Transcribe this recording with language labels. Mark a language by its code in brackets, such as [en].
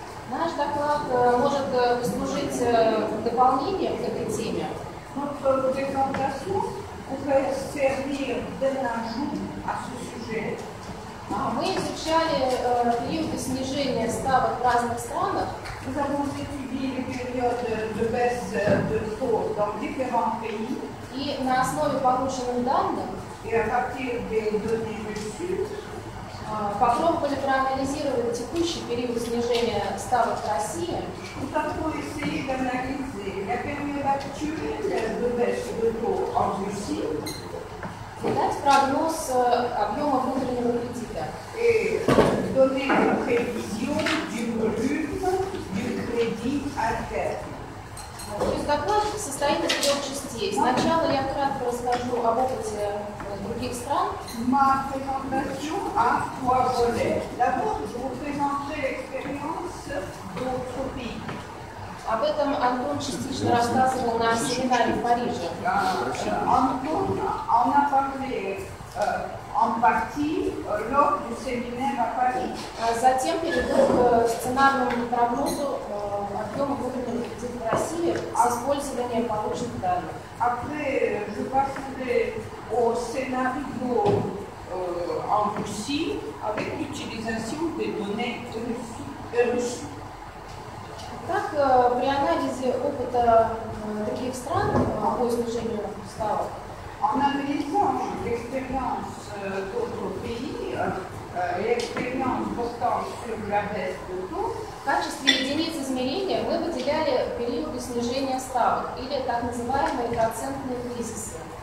[ru] Наш доклад может послужить дополнением к этой теме. [fr] Notre présentation pourrait servir d'un ajout à ce sujet. [ru] Мы изучали период снижения ставок в разных странах. [fr] Nous avons étudié les périodes de baisse de taux dans différents pays. [ru] И на основе полученных данных. [fr] Et à partir des données reçues. [ru] Попробовали проанализировать текущий период снижения ставок в России. [fr] Nous avons essayé d'analyser la période actuelle de baisse de taux en Russie. [ru] И дать прогноз объема внутреннего кредита. [fr] Et donner une prévision du volume du crédit à terme. [ru] То есть доклад состоит из трех частей. Сначала я кратко расскажу об опыте других стран. [fr] Ma présentation a trois volets. D'abord, je vous présenterai l'expérience d'autres pays. [ru] Об этом Антон частично рассказывал на семинаре в Париже. [fr] Антон en a parlé en partie lors du séminaire à Paris. [ru] Затем перейду к сценарному прогнозу объема выгодных кредитов в России с использованием полученных данных. [fr] Après, je passerai au scénario en Russie avec l'utilisation des données russes. [ru] Так, при анализе опыта таких стран по снижению ставок. [fr] En analysant l'expérience d'autres pays, l'expérience portant sur la baisse de taux, [ru] в качестве единицы измерения мы выделяли периоды снижения ставок, или так называемые процентные кризисы.